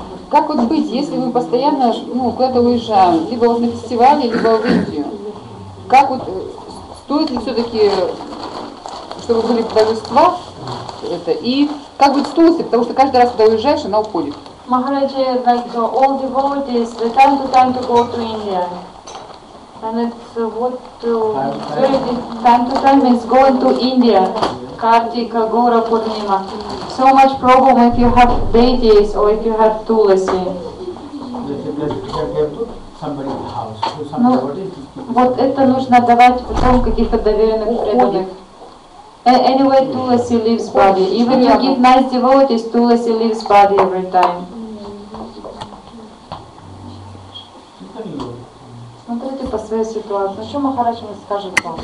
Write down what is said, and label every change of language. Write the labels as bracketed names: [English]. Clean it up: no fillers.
[Russian] Как вот быть, если мы постоянно куда-то уезжаем, либо на фестивале, либо в Индию? Как вот, стоит ли все-таки, чтобы были торжества, это, и как быть стоит ли, потому что каждый раз, когда уезжаешь, она уходит. [English] Maharaj, like the old devotees, the time to go to India, and it's time to time is going to India, Kartika, Gaura, Purnima. So much problem if you have deities or if you have Tulasi. Let's give somebody in the house. [Russian] Вот это нужно давать потом каких-то доверенных преданных. [English] Anyway, Tulasi leaves body. Even you give nice devotees, Tulasi leaves body every time. [Russian] Смотрите по своей ситуации. Ну что Махарадж мне скажет вам?